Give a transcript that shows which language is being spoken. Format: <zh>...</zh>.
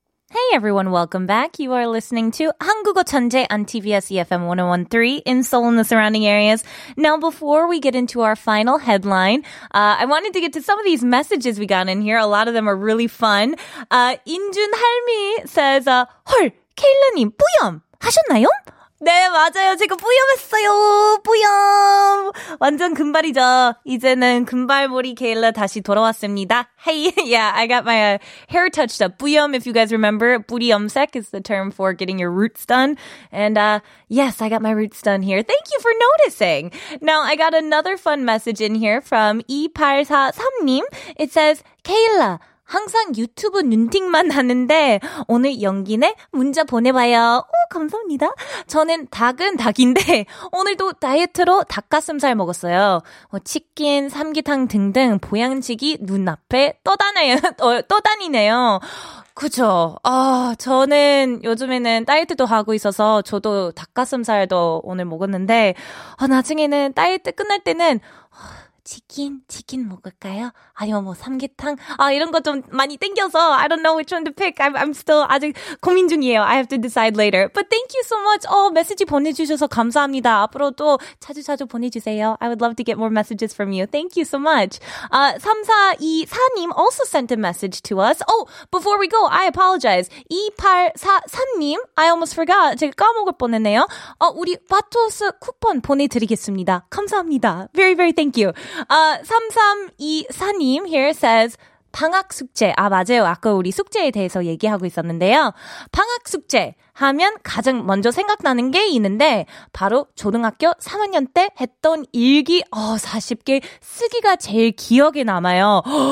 <en>Hey, Hey everyone, welcome back. You are listening to 한국어 전제 on TBS EFM 101.3 in Seoul and the surrounding areas. Now, before we get into our final headline, I wanted to get to some of these messages we got in here. A lot of them are really fun.</en> <ko>인준 할미 says, 헐, 케일러님, 뿌염 하셨나요? 네, 맞아요. 제가 뿌염했어요. 뿌염. 완전 금발이죠. 이제는 금발머리 케일러 다시 돌아왔습니다.</ko> <en>Hey, yeah, I got my hair touched up. 뿌염, if you guys remember, 뿌리염색 is the term for getting your roots done. And yes, I got my roots done here. Thank you for noticing. Now, I got another fun message in here from 2843님.</en> <ko>It says, 케일러, 항상 유튜브 눈팅만 하는데 오늘 연기네 문자 보내봐요. 오, 감사합니다. 저는 닭은 닭인데 오늘도 다이어트로 닭가슴살 먹었어요. 치킨, 삼계탕 등등 보양식이 눈앞에 떠다녀요. 떠다니네요. 그죠? 저는 요즘에는 다이어트도 하고 있어서 저도 닭가슴살도 오늘 먹었는데 나중에는 다이어트 끝날 때는 치킨 먹을까요? 아니면 뭐 삼계탕?</ko> <en>아, 이런 거 좀 많이 땡겨서 I don't know which one to pick. I'm still</en> <ko>아직 고민 중이에요.</ko> <en>I have to decide later. But thank you so much.</en> <ko>메시지 보내주셔서 감사합니다. 앞으로도 자주 보내주세요.</ko> <en>I would love to get more messages from you. Thank you so much. 3424님 also sent a message to us. Oh, before we go, I apologize. 2843님, I almost forgot.</en> <ko>제가 까먹을 뻔했네요. 우리 바토스 쿠폰 보내드리겠습니다. 감사합니다.</ko> <en>Very, very thank you.</en> <ko>3324님</ko> <en>here says</en> <ko>방학 숙제. 아, 맞아요. 아까 우리 숙제에 대해서 얘기하고 있었는데요. 방학 숙제 하면 가장 먼저 생각나는 게 있는데 바로 초등학교 3학년 때 했던 일기 40개 쓰기가 제일 기억에 남아요.</ko>